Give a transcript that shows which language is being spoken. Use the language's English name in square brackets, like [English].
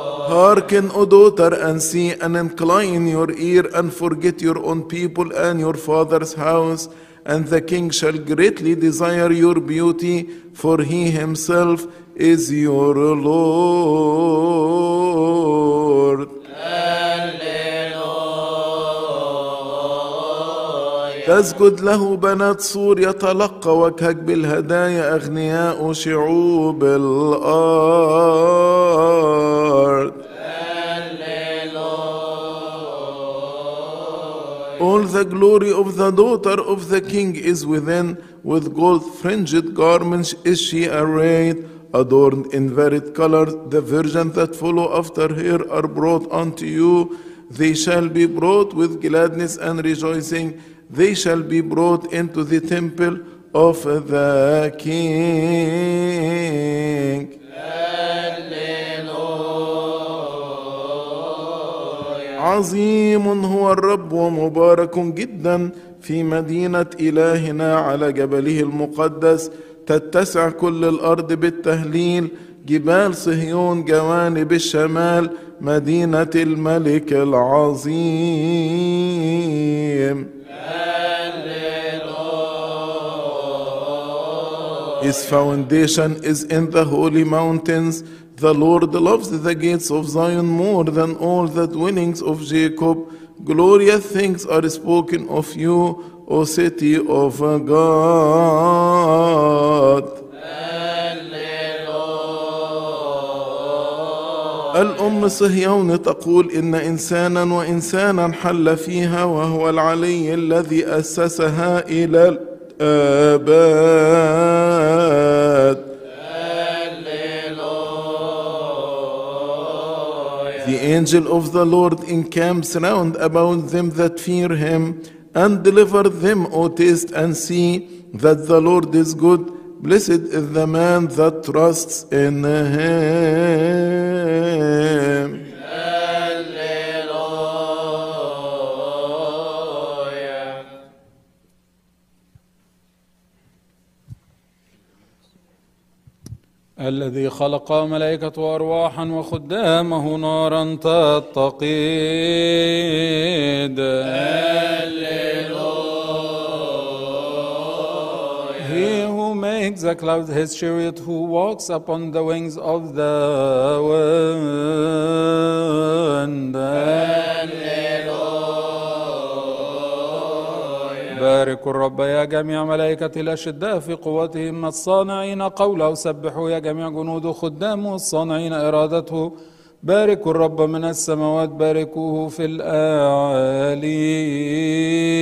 [English] Hark in, O daughter, and see, and incline your ear, and forget your own people and your father's house, and the king shall greatly desire your beauty, for he himself is your Lord. [Arabic] تسجد له بنات صور، يتلقى وجهك بالهدايا أغنياء شعوب الأرض. [English] All the glory of the daughter of the king is within. With gold-fringed garments is she arrayed, adorned in varied colors. The virgins that follow after her are brought unto you. They shall be brought with gladness and rejoicing. They shall be brought into the temple of the king. [Arabic] عظيم هو الرب ومبارك جدا في مدينة إلهنا على جبله المقدس، تتسع كل الأرض بالتهليل، جبال صهيون جوانب الشمال، مدينة الملك العظيم. [English] His foundation is in the holy mountains. The Lord loves the gates of Zion more than all the dwellings of Jacob. Glorious things are spoken of you, O city of God. [Arabic] الأم صهيون تقول إن إنسانا وإنسانا حل فيها، وهو العلي الذي أسسها إلى الأبد. [English] The angel of the Lord encamps round about them that fear him, and deliver them, O taste and see, that the Lord is good. Blessed is the man that trusts in him. Hallelujah. [Arabic] الذي خلق ملائكة وأرواحا وخدامه نارا تتقيد. [English] Alleluia. He who makes a cloud his chariot, who walks upon the wings of the wind. [Arabic] باركوا الرب يا جميع ملائكة الأشداء في قوتهم الصانعين قوله، سبحوا يا جميع جنود خدامه الصانعين إرادته، باركوا الرب من السماوات باركوه في الأعالي.